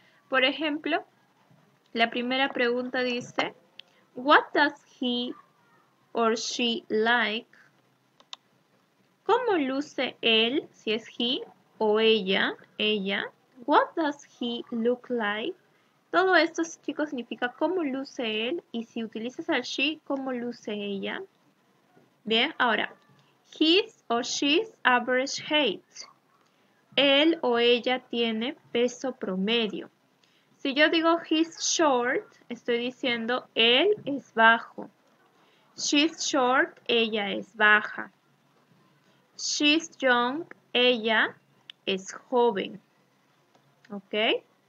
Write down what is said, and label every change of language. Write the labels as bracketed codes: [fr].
[es] Por ejemplo, la primera pregunta dice, What does he or she like? ¿Cómo luce él, si es he o ella? What does he look like? Todo esto, chicos, significa cómo luce él, y si utilizas al she, ¿cómo luce ella? [en] Bien, ahora, his o she's average height. [es] Él o ella tiene peso promedio. Si yo digo he's short, estoy diciendo él es bajo. She's short, ella es baja. She's young, ella es joven. ¿Ok?